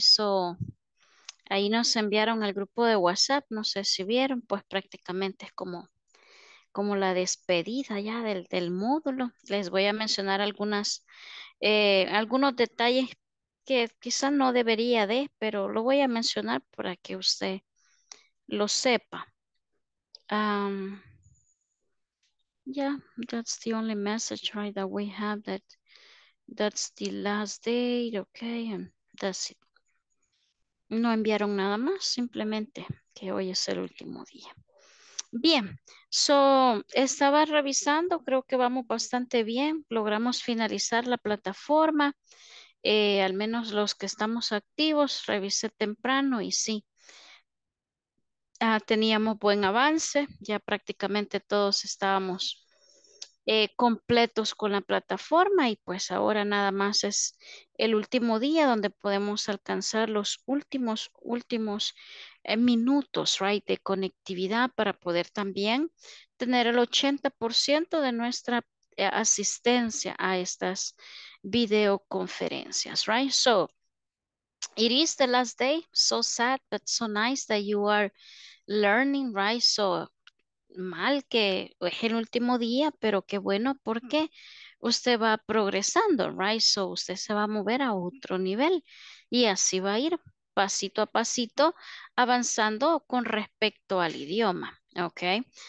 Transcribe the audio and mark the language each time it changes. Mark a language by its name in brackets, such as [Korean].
[Spanish] So, ahí nos enviaron al grupo de WhatsApp, no sé si vieron, pues prácticamente es como la despedida ya del módulo. Les voy a mencionar algunos detalles que quizás no debería de, pero lo voy a mencionar para que usted lo sepa. [English] Yeah, that's the only message, right, that we have that. That's the last date, okay, and that's it. [Spanish] No enviaron nada más, simplemente que hoy es el último día. Bien, so estaba revisando, creo que vamos bastante bien. Logramos finalizar la plataforma, al menos los que estamos activos, revisé temprano y sí. Teníamos buen avance, ya prácticamente todos estábamos completos con la plataforma y pues ahora nada más es el último día donde podemos alcanzar los últimos minutos, right, de conectividad para poder también tener el 80% de nuestra asistencia a estas videoconferencias, right? [English] So, it is the last day, so sad but so nice that you are learning, right? [Spanish] So mal que es el último día, pero qué bueno porque usted va progresando, right? So usted se va a mover a otro nivel y así va a ir pasito a pasito avanzando con respecto al idioma, ¿ok?